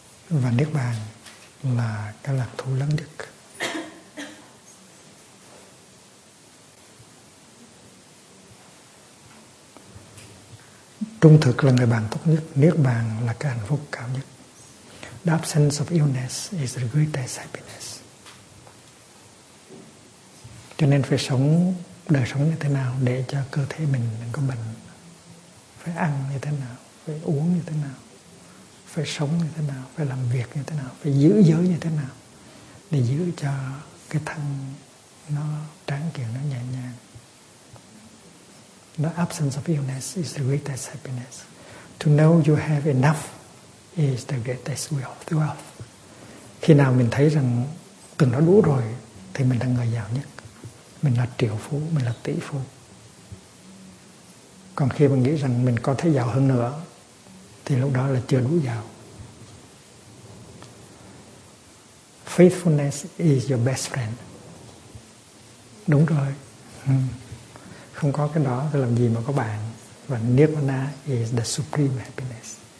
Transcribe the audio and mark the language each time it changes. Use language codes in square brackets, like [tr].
[vi] Và Niết Bàn là cái lạc thú lớn nhất. Trung thực là người bạn tốt nhất. Niết Bàn là cái hạnh phúc cao nhất. [en] The absence of illness is the greatest happiness. [vi] Cho nên phải sống đời sống như thế nào để cho cơ thể mình đừng có bệnh. Phải ăn như thế nào, phải uống như thế nào, phải sống như thế nào, phải làm việc như thế nào, phải giữ giới như thế nào để giữ cho cái thân nó tráng kiện, nó nhẹ nhàng. [en] The absence of illness is the greatest happiness. To know you have enough is the greatest wealth. [vi] Khi nào mình thấy rằng từng đó đủ rồi, thì mình là người giàu nhất. Mình là triệu phú, mình là tỷ phú. Còn khi mình nghĩ rằng mình có thể giàu hơn nữa, thì lúc đó là chưa đủ giàu. [en] Faithfulness is your best friend. [vi] Đúng rồi. Không có cái đó thì làm gì mà có bạn. [en] Và Nirvana is the supreme happiness.